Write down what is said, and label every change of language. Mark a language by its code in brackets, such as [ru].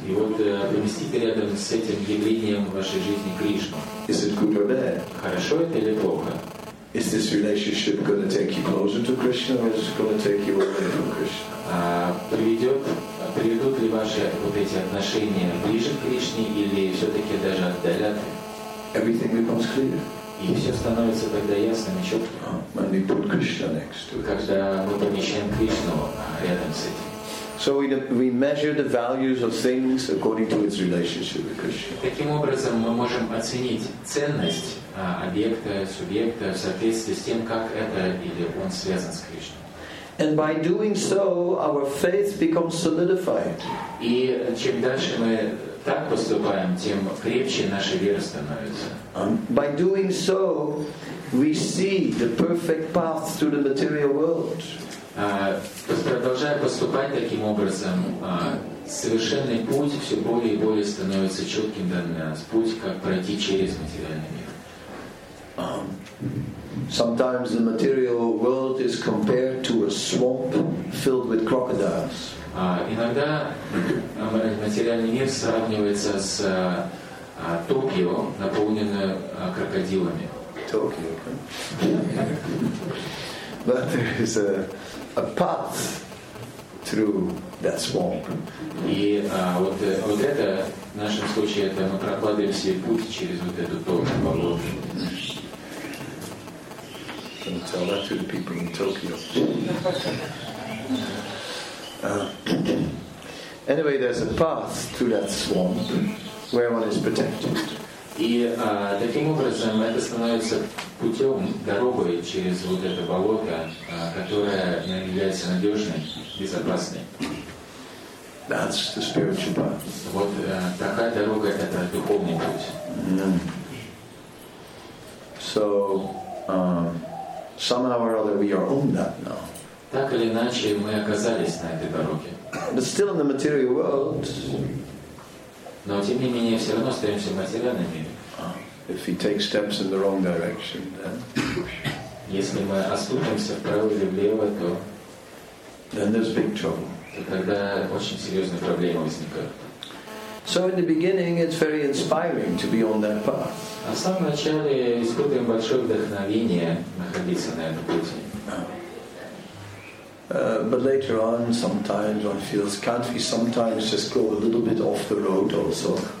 [ru] И вот поместите рядом с этим явлением в вашей жизни Кришну. [en] Is it good or bad? [ru] Хорошо это или плохо? [en] Is this relationship going to take you closer to Krishna or is it going to take you away from Krishna? [ru] Приведут ли ваши вот эти отношения ближе к Кришне или все-таки даже отдалят? [en] Everything becomes clear. [ru] И все становится тогда ясным и четким. [en] When we put Krishna next to it. [ru] Когда мы помещаем Кришну рядом с этим. [en] So we measure the values of things according to its relationship with Krishna. [ru] Таким образом, мы можем оценить ценность объекта, субъекта в соответствии с тем, как это или он связан с Кришной. [en] And by doing so, our faith becomes solidified. [ru] И чем дальше мы так поступаем, тем крепче наша вера становится. [en] By doing so, we see the perfect path to the material world. [ru] Продолжая поступать таким образом, совершенный путь все более и более становится четким для нас. Путь, как пройти через материальный мир. [en] Sometimes the material world is compared to a swamp filled with crocodiles. [ru] Иногда материальный мир сравнивается с Токио, наполненным крокодилами. Токио. [en] But there is a path through that swamp. [ru] И вот это, в нашем случае, это мы прокладываем себе путь через вот эту Токио. [en] Don't tell that to the people in Tokyo. Anyway, there's a path through that swamp where one is protected. [ru] И таким образом это становится путем, дорогой через вот это болото, которое является надежной, безопасной. [en] That's the spiritual path. [ru] Вот такая дорога — это духовный путь. [en] So, somehow or other, we are on that now. [ru] Так или иначе, мы оказались на этой дороге. [en] But still in the material world. [ru] Но тем не менее, все равно остаемся в материальном мире. [en] If we take steps in the wrong direction, then. [ru] Если мы оступимся вправо или влево, то. [en] Then there's big trouble. [ru] То тогда очень серьезные проблемы возникают. [en] So in the beginning, it's very inspiring to be on that path. [ru] А в самом начале испытываем большое вдохновение находиться на этом пути. [en] But later on, sometimes one feels, can't we sometimes just go a little bit off the road also?